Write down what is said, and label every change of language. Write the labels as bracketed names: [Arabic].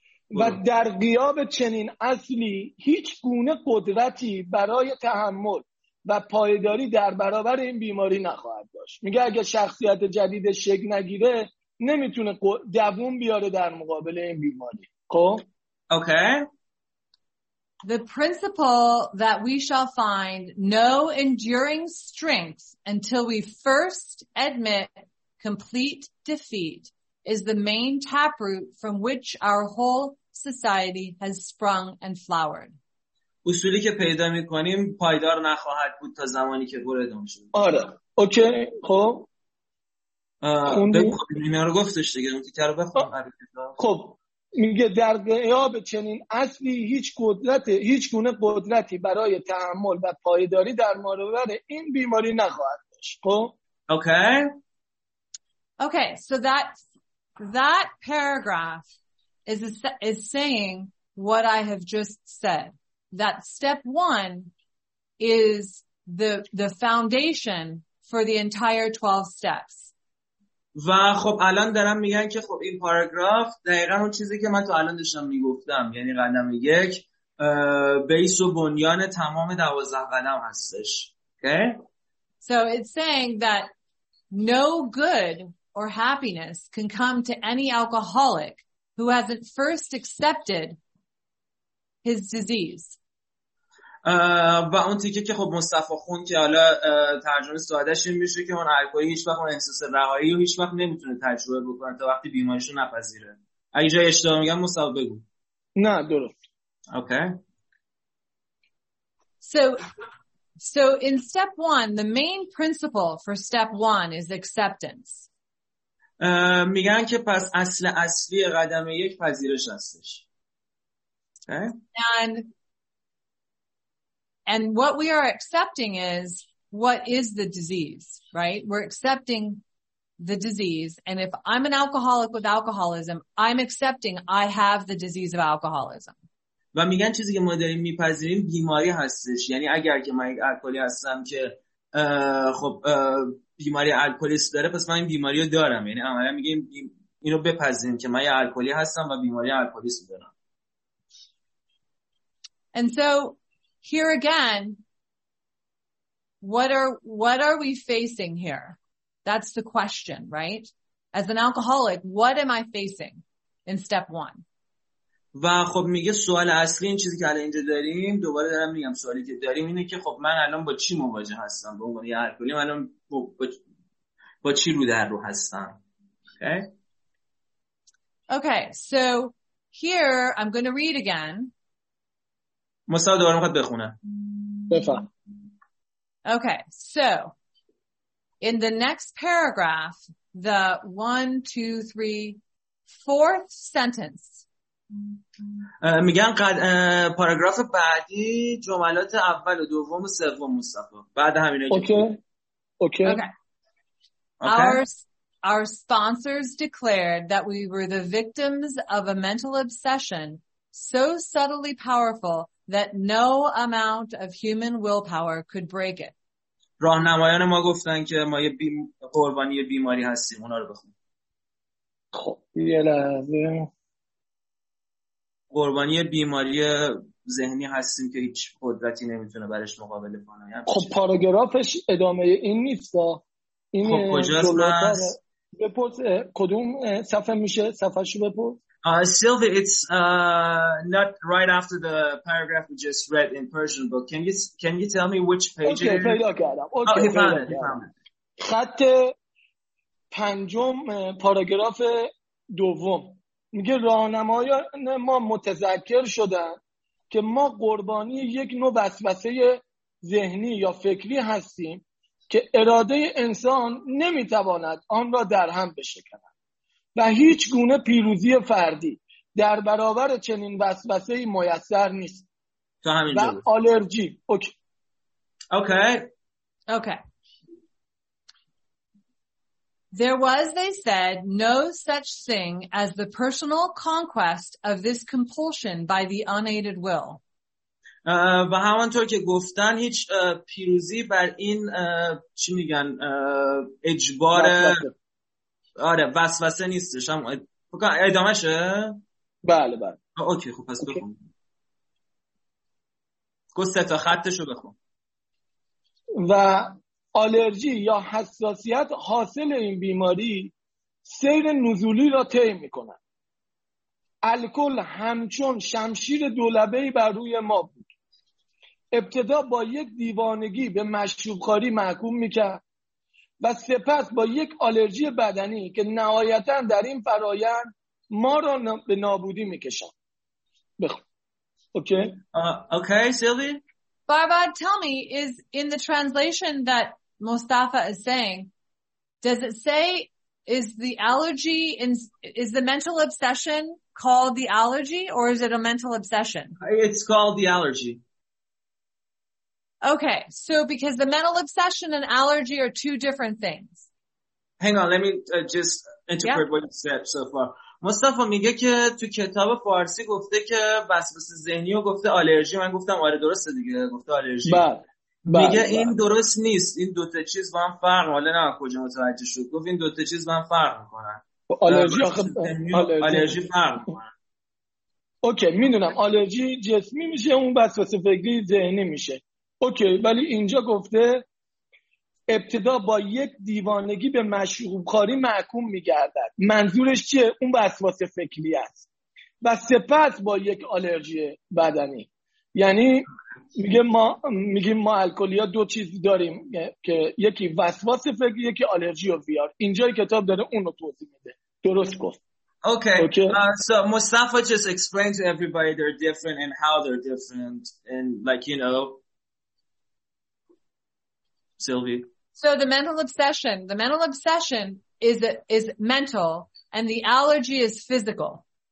[Persian] و در غیاب چنین اصلی هیچ گونه قدرتی برای تحمل و پایداری در برابر این بیماری نخواهد داشت. میگه اگه شخصیت جدید شک نگیره نمیتونه دووم بیاره در مقابل این بیماری. خب؟ اوکی. [English] The principle that we shall find no enduring strength until we first admit complete defeat is the main taproot from which our whole society has sprung and flowered. [Persian] اصولی که پیدا میکنیم پایدار نخواهد بود تا زمانی که گره دام شد. آره. اوکی. خب. اینا رو گفتش دیگه. اون تیکر رو بخونم. خب. میگه در غیاب چنین اصلی هیچ گونه قدرتی برای تحمل و پایداری در مقابل این بیماری نخواهد داشت. خب؟ اوکی. [English] Okay, so that paragraph is saying what I have just said. That step one is the foundation for the entire 12 steps. [Persian] و خب الان دارم میگن که خب این پاراگراف دقیقاً اون چیزی که من تو الان داشتم میگفتم، یعنی قدم یک بیس و بنیان تمام 12 قدم هستش. Okay? [English] So it's saying that no good or happiness can come to any alcoholic who hasn't first accepted his disease. [Persian] و اون تیکه که خب مصطفی خون که حالا ترجمه سادهش این میشه که اون الکلی هیچ وقت اون احساس رهایی رو هیچ وقت نمیتونه تجربه بکنه تا وقتی بیماریش رو نپذیره. اگه جای اشتباه میگم مصطفی بگو. نه درست. اوکی. [English] So in step 1 the main principle for step 1 is acceptance. [Persian] میگن که پس اصلی قدم یک پذیرش هستش. [English] And what we are accepting is what is the disease, right? We're accepting the disease. And if I'm an alcoholic with alcoholism, I'm accepting I have the disease of alcoholism. [Persian] و میگن چیزی که ما داریم میپذیریم بیماری هستش. یعنی اگر که من یک الکلی هستم که خب بیماری الکلیست داره، پس من این بیماری رو دارم. یعنی عملا میگیم اینو بپذیریم که من یک الکلی هستم و بیماری الکلیست دارم. [English] And so here again, what are we facing here? That's the question, right? As an alcoholic, what am I facing in step one? [Persian] و خب میگه سوال اصلی این چیزی که الان اینجا داریم، دوباره دارم میگم سوالی که داریم اینه که خب من الان با چی مواجه هستم؟ به عنوان یه الکلی من با چی رو در رو هستم؟ [English] Okay, so here I'm going to read again. [Persian] مصطفی دوباره میخواد بخونه. بفهم. [English] Okay, so in the next paragraph, the 1, 2, 3, 4th sentence. [Persian] میگن پاراگراف بعدی جملات اول و دوم و سوم مصطفی. بعد همینا. Okay. [English] Our sponsors declared that we were the victims of a mental obsession so subtly powerful that no amount of human willpower could break it. [Persian] راهنمایان ما گفتن که ما یه قربانی بیماری هستیم. اونا رو بخون. خب یه لحظه. قربانی بیماری ذهنی هستیم که هیچ قدرتی نمیتونه برش مقابله کنه. خب پاراگرافش ادامه این نیست. این خب کجاست؟ بپرس کدوم صفحه میشه؟ صفحهشو بپرس. [English] Sylvie, it's not right after the paragraph we just read in Persian book. Can you tell me which page okay, it is? [Persian] Okay, پیدا کردم. Okay, [English] oh, he found it. [Persian] خط پنجم پاراگراف دوم. میگه راهنمایان ما متذکر شدن که ما قربانی یک نوع وسوسه ذهنی یا فکری هستیم که اراده انسان نمیتواند آن را در هم بشکند و هیچ گونه پیروزی فردی در برابر چنین وسوسه‌ای میسر نیست. تو همین و آلرژی. اوکی. [English] There was, they said, no such thing as the personal conquest of this compulsion by the unaided will. [Persian] و همانطور که گفتن هیچ پیروزی بر این چی میگن اجبار وسوسه. آره وسوسه نیستش. هم ادامه‌شه؟ بله بله. اوکی خب پس بخون. گسته تا خطشو بخون. و آلرژی یا حساسیت حاصل این بیماری سیر نزولی را طی می‌کند. الکل همچون شمشیر دولبه‌ای بر روی ما بود. ابتدا با یک دیوانگی به مشروب‌خواری محکوم می‌کرد و سپس با یک آلرژی بدنی که نهایتاً در این فرایند ما را به نابودی می‌کشاند. بخون. اوکی؟ اوکی سیلوی. [English] Barbad, tell me, is in the translation that Mustafa is saying, does it say, is the allergy, is the mental obsession called the allergy, or is it a mental obsession? It's called the allergy. Okay, so because the mental obsession and allergy are two different things. Hang on, let me just interpret yeah. what you said so far. [Persian] مصطفی میگه که تو کتاب فارسی گفته که وسواس ذهنی و گفته آلرژی. من گفتم آره درسته دیگه، گفته آلرژی. بله میگه بل. این درست نیست، این دو تا چیز با هم فرق حالا نه کجا متوجه شد گفت این دو تا چیز با هم فرق میکنن. آلرژی آلرژی فرق میکنه. اوکی میدونم آلرژی جسمی میشه، اون وسواس فکری ذهنی میشه. اوکی ولی اینجا گفته ابتدا با یک دیوانگی به مشروب‌خواری محکوم می‌گردد. منظورش چیه؟ اون وسواس فکری است. و سپس با یک آلرژی بدنی. یعنی میگه ما الکلیا دو چیز داریم که یکی وسواس فکری، یکی آلرژی و ویار. اینجای کتاب داره اون رو توضیح میده. درست گفت. Okay. Okay. [English] So Mustafa just explained to everybody they're different and how they're different and like you know Sylvie. So the mental obsession is mental and the allergy is physical.